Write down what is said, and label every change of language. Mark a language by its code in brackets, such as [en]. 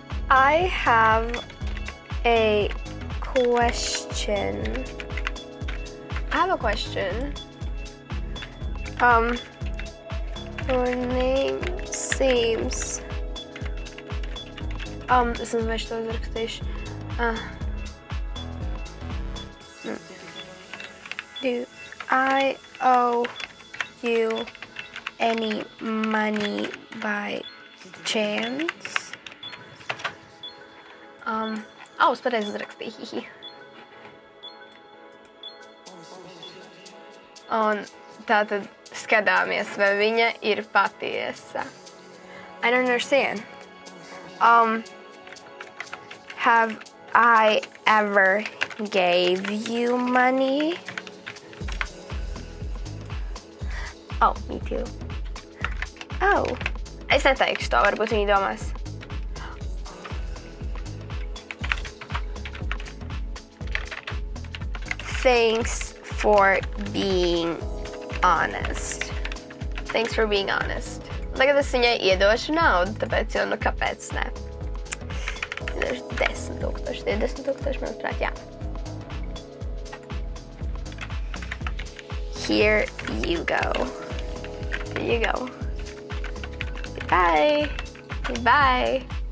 [en] I have a question. I have a question. Your name seems... [lv] Es nezinu, vai šito uzrakstīšu. [en] Do I owe you any money by chance? [lv] Es pareizi uzrakstīju. Un tātad skatāmies, vai viņa ir patiesa. [en] I don't understand. Have I ever gave you money? Oh, me too. Oh. [lv] Es neteikšu to, varbūt viņi domās. [en] Thanks for being honest. Thanks for being honest. [lv] Tagad es viņai iedošu naudu, tāpēc jau nu kāpēc ne. Iedošu 10 tūkstoši, 20 tūkstoši, manuprāt, jā. [en] Here you go. Here you go. Bye. Bye.